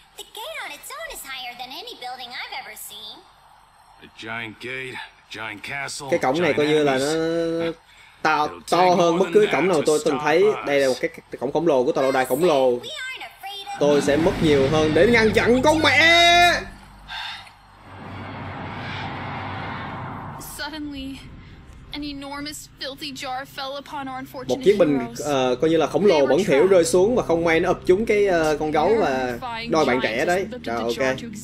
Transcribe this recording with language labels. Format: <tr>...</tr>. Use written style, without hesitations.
<en>The gate on its own is higher than any building I've ever seen. A giant gate, giant castle.</en> <vi>Cái cổng này coi như là nó to hơn bất cứ cổng nào tôi từng thấy. Đây là một cái cổng khổng lồ của tòa lâu đài khổng lồ. Tôi sẽ mất nhiều hơn để ngăn chặn con mẹ.</vi> <en>Suddenly, an enormous filthy jar fell upon our unfortunate.</en> <vi>Một chiếc bình coi như là khổng lồ bẩn thỉu rơi xuống và không may nó ập trúng cái con gấu và đôi bạn trẻ đấy. Rồi ok.</vi>